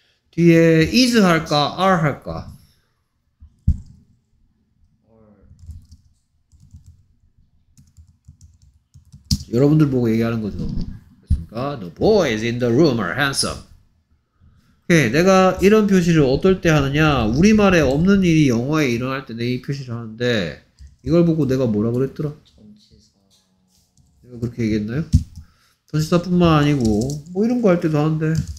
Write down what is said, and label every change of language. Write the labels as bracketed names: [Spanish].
[Korean] 뒤에 is 할까 are 할까. 여러분들 보고 얘기하는 거죠. 그렇습니까? [English] The boy is in the room are handsome. [Korean] 오케이. 내가 이런 표시를 어떨 때 하느냐. 우리말에 없는 일이 영어에 일어날 때 내 이 표시를 하는데 이걸 보고 내가 뭐라 그랬더라? 전치사. 내가 그렇게 얘기했나요? 전시사뿐만 아니고 뭐 이런 거 할 때도 하는데.